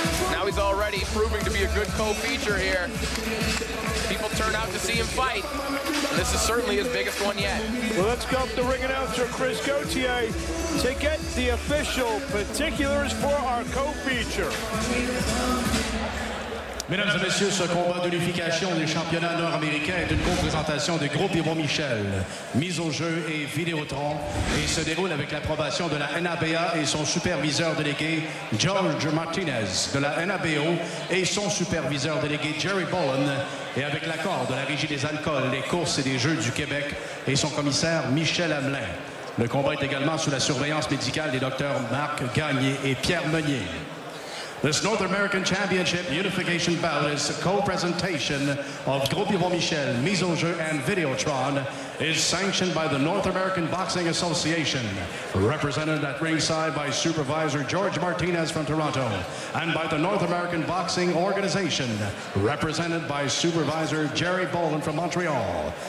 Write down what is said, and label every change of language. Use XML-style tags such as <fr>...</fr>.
<en>Now he's already proving to be a good co-feature here. People turn out to see him fight. And this is certainly his biggest one yet. Well, let's go up the ring announcer, Chris Gauthier, to get the official particulars for our co-feature.</en> <fr>Mesdames et messieurs, ce combat d'unification des championnats nord-américains est une co-présentation du groupe Yvon Michel. Mise au jeu et Vidéotron. Et se déroule avec l'approbation de la NABA et son superviseur délégué, George Martinez, de la NABO et son superviseur délégué, Jerry Bullen, et avec l'accord de la Régie des alcools, des courses et des jeux du Québec et son commissaire, Michel Hamelin. Le combat est également sous la surveillance médicale des docteurs Marc Gagné et Pierre Meunier.</fr> <en>This North American Championship Unification Bout is a co-presentation of Groupe Yvon Michel, Mise au Jeu, and Videotron, is sanctioned by the North American Boxing Association, represented at ringside by Supervisor George Martinez from Toronto, and by the North American Boxing Organization, represented by Supervisor Jerry Bolin from Montreal.</en>